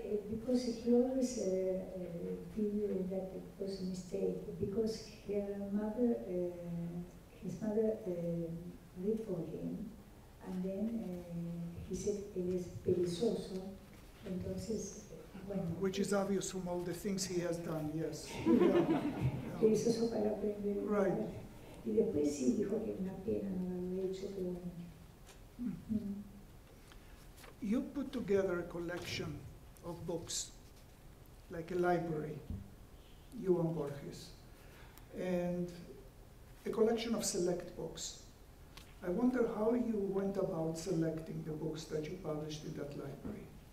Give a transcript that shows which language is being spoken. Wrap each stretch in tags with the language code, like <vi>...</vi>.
<en>Because he always figured that it was a mistake, because his mother read for him, and then he said it is</en> <es>perezoso, entonces, bueno.</es> <en>Which is obvious from all the things he has done, yes.</en> <es>Perezoso para aprender.</es> <en>Right.</en> <es>Y después sí dijo que una pena no lo había hecho, pero bueno.</es> <en>You put together a collection of books, like a library, you and Borges, and a collection of select books. I wonder how you went about selecting the books that you published in that library.</en>